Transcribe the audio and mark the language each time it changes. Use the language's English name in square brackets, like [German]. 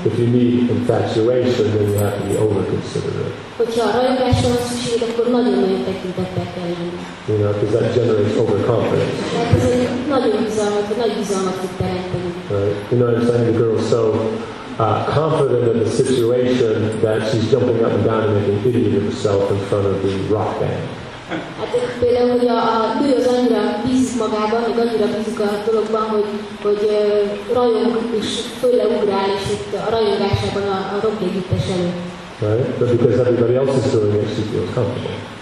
[English] If you need infatuation, then you have to be overconsiderate. [Hungarian] Hogyha rajongásra van szükség, akkor nagyon-nagyon tekintettel kell lenni. [English] You know, because that generates overconfidence. [Hungarian] Hát ez egy nagy bizalmat tud teremteni. [English] You know what I'm saying? The girl's so confident in the situation that she's jumping up and down and making an idiot of herself in front of the rock band. [Hungarian] Hát például, hogy a nő az annyira bízik magában, hogy annyira bízik a dologban, hogy rajong és fölleugrál, és itt a rajongásában a rock együttes előtt. [English] Right? But because everybody else is doing it, she feels comfortable.